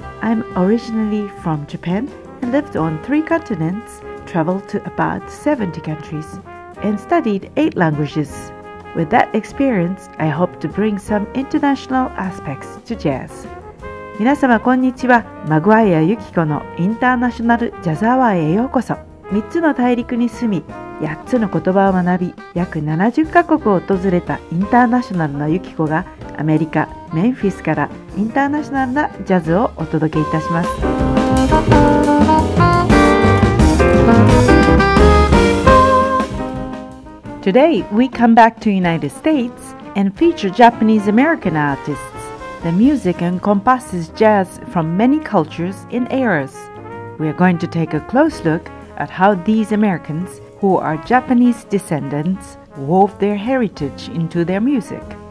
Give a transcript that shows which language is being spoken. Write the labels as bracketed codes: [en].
[en] I'm originally from Japan and lived on 3 continents, traveled to about 70 countries, and studied 8 languages. With that experience, I hope to bring some international aspects to jazz. [ja] 皆様こんにちは。マグワイアユキコのインターナショナルジャズアワーへようこそ。 3つの大陸に住み、8つの言葉を学び、約70カ国を訪れたインターナショナルのユキコがアメリカ・メンフィスからインターナショナルなジャズをお届けいたします。 [en] Today we come back to United States and feature Japanese American artists, the music encompasses jazz from many cultures and eras. We are going to take a close look at how these Americans, who are Japanese descendants, wove their heritage into their music.